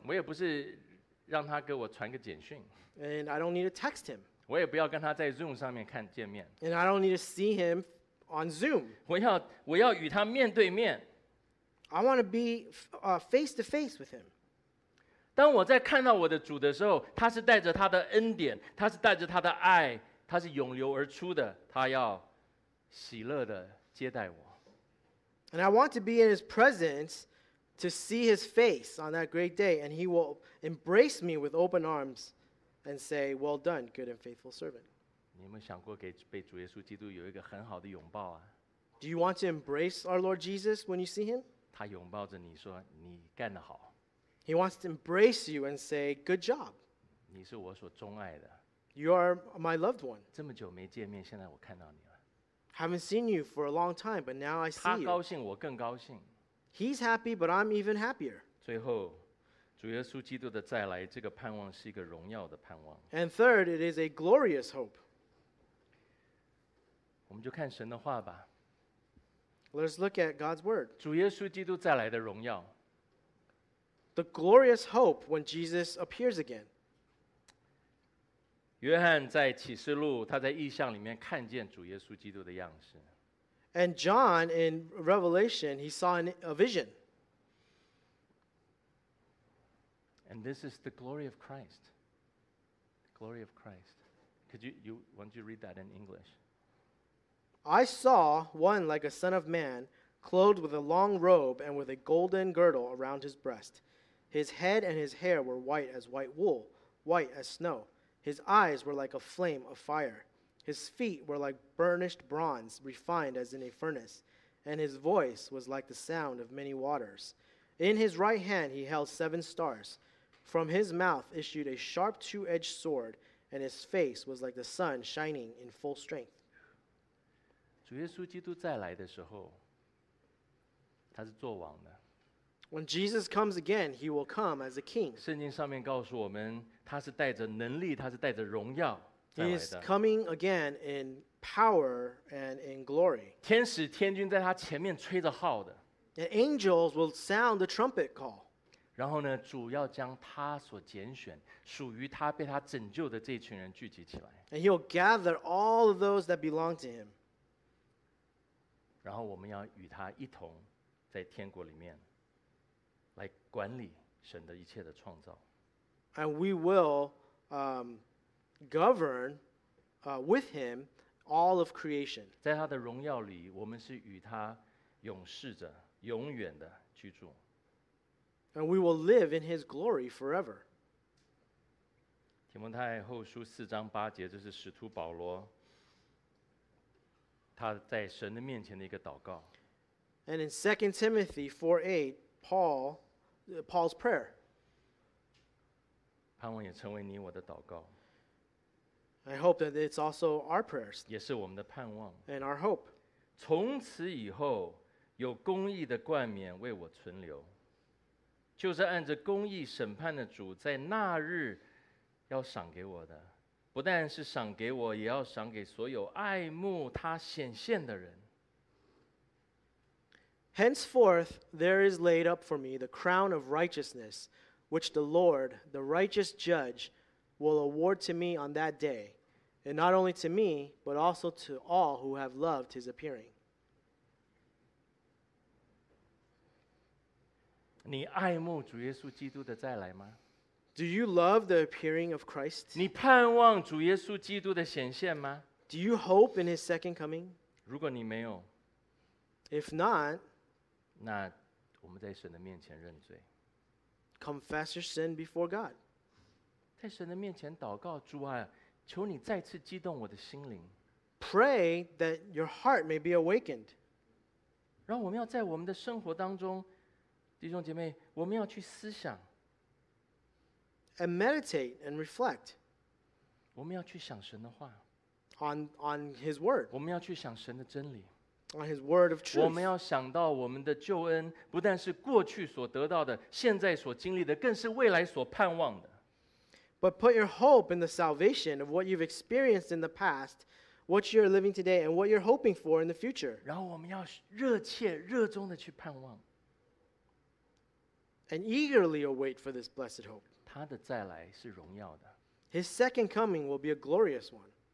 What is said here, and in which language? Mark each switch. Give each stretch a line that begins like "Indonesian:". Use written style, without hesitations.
Chinese: 我也不是让他给我传个简讯。
English: And I don't need to text him.
Chinese: 我也不要跟他在 Zoom 上面看见面。
English: And I don't need to see him on Zoom.
Chinese: 我要与他面对面。
English: I want to be face to face with him.
Chinese: 当我在看到我的主的时候，他是带着他的恩典，他是带着他的爱，他是涌流而出的，他要喜乐的接待我。
English: And I want to be in his presence to see his face on that great day, and he will embrace me with open arms and say, "Well done, good and faithful servant."
Chinese: 你有没有想过给被主耶稣基督有一个很好的拥抱啊？
English: Do you want to embrace our Lord Jesus when you see him?
Chinese: 他拥抱着你说，你干得好。
English: He wants to embrace you and say, "Good job."
Chinese: 你是我所钟爱的。
English: You are my loved one.
Chinese: 这么久没见面，现在我看到你了。
English: Haven't seen you for a long time, but now I see you.
Chinese: 他高兴，我更高兴。
English: He's happy, but I'm even happier.
Chinese: 最后，主耶稣基督的再来，这个盼望是一个荣耀的盼望。
English: And third, it is a glorious hope.
Chinese: 我们就看神的话吧。
English: Let's look at God's word.
Chinese: 主耶稣基督再来的荣耀。
English: The glorious hope when Jesus appears again.
Chinese: 约翰在启示录，他在异象里面看见主耶稣基督的样式。
English: And John, in Revelation, he saw a vision. And this is the glory of Christ. The glory of Christ. Why don't you read that in English? I saw one like a son of man, clothed with a long robe and with a golden girdle around his breast. His head and his hair were white as white wool, white as snow. His eyes were like a flame of fire. His feet were like burnished bronze, refined as in a furnace, and his voice was like the sound of many waters. In his right hand he held seven stars. From his mouth issued a sharp two-edged sword, and his face was like the sun shining in full strength.
Chinese: 主耶稣基督再来的时候，他是作王的。
English: When Jesus comes again, he will come as a king.
Chinese: 圣经上面告诉我们，他是带着能力，他是带着荣耀。
English: He is coming again in power and in glory.
Chinese: 天使天君在他前面吹着号的。
English: And angels will sound the trumpet call.
Chinese: 然后呢，主要将他所拣选、属于他、被他拯救的这群人聚集起来。
English: And he'll gather all of those that belong to him.
Chinese: 然后我们要与他一同在天国里面来管理神的一切的创造。
English: And we will govern with him all of creation.
Chinese: 在他的荣耀里，我们是与他永世着，永远的居住。
English: And we will live in his glory forever.
Chinese: 提摩太后书四章八节，这是使徒保罗他在神的面前的一个祷告。
English: And in 2 Timothy 4:8, Paul's prayer.
Chinese: 盼望也成为你我的祷告。
English: I hope that it's also our prayers.
Chinese: 也是我们的盼望。
English: And our hope.
Chinese: 从此以后，有公义的冠冕为我存留，就是按着公义审判的主，在那日要赏给我的，不但是赏给我，也要赏给所有爱慕他显现的人。
English: Henceforth, there is laid up for me the crown of righteousness, which the Lord, the righteous judge, will award to me on that day, and not only to me, but also to all who have loved his appearing.
Chinese: 你爱慕主耶稣基督的再来吗？
English: Do you love the appearing of Christ?
Chinese: 你盼望主耶稣基督的显现吗？
English: Do you hope in his second coming?
Chinese: 如果你没有，
English: If not,
Chinese: 那我们在神的面前认罪。
English: Confess your sin before God.
Chinese: 在神的面前祷告，主啊，求你再次激动我的心灵。
English: Pray that your heart may be awakened.
Chinese: 然后我们要在我们的生活当中，弟兄姐妹，我们要去思想。
English: And meditate and reflect.
Chinese: 我们要去想神的话。
English: On his word.
Chinese: 我们要去想神的真理。
English: On his word of truth.
Chinese: 我们要想到我们的救恩，不但是过去所得到的，现在所经历的，更是未来所盼望的。
English: But put your hope in the salvation of what you've experienced in the past, what you're living today and what you're hoping for in the future.
Chinese: 然后我们要热切热衷的去盼望。
English: And eagerly await for this blessed hope.
Chinese: 他的再来是荣耀的。
English: His second coming will be a glorious one.